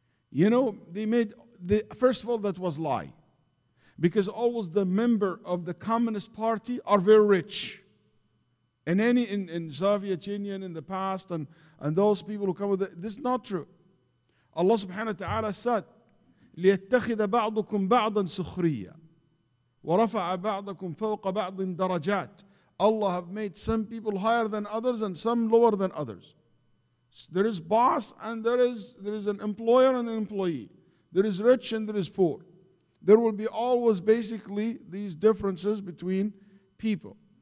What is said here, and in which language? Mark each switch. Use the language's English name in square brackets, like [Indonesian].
[English] You know, they made, the first of all, that was lie. Because always the member of the communist party are very rich. And any in Soviet Union in the past, and those people who come with it, this is not true. Allah subhanahu wa ta'ala said, [Arabic] لِيَتَّخِذَ بَعْضُكُمْ بَعْضًا سُخْرِيًّا وَرَفَعَ بَعْضَكُمْ فَوْقَ بَعْضٍ دَرَجَاتٍ. [English] Allah have made some people higher than others and some lower than others. So there is boss and there is an employer and an employee. There is rich and there is poor. There will be always basically these differences between people.